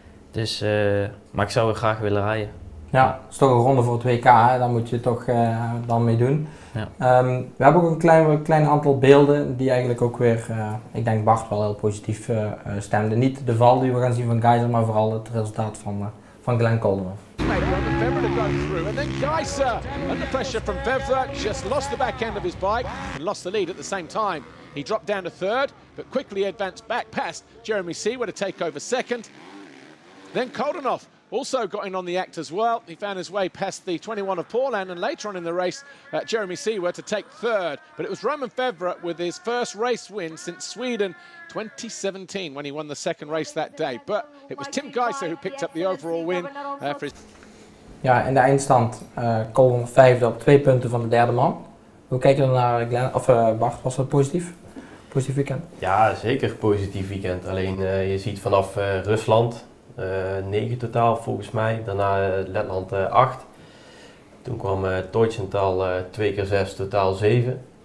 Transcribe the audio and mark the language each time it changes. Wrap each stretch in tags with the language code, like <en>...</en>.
<nl>Dus, maar ik zou er graag willen rijden. Ja, het is toch een ronde voor het WK, hè? Daar moet je toch dan mee doen. Ja. We hebben ook een klein aantal beelden die eigenlijk ook weer, ik denk Bart wel heel positief stemden. Niet de val die we gaan zien van Geyser, maar vooral het resultaat van Glenn Kolderhoff.</nl> <en>Fevre to go through, and then Geyser, under pressure from Fevre, just lost the back end of his bike, and lost the lead at the same time. He dropped down to third, but quickly advanced back past Jeremy Seewer to take over second. Then Kolderhoff also got in on the act as well. He found his way past the 21 of Poorland, and later on in the race, Jeremy Seewer to take third. But it was Roman Fevre with his first race win since Sweden 2017 when he won the second race that day. But it was Tim Geyser who picked up the overall win.</en> <nl>Ja, in de eindstand Colin vijfde op 2 punten van de derde man. Hoe kijk je dan naar Glenn, of Bart, was dat positief? Positief weekend? Ja, zeker positief weekend. Alleen je ziet vanaf Rusland 9 totaal volgens mij. Daarna Letland 8. Toen kwam Deutschental 2 keer 6, totaal 7.</nl>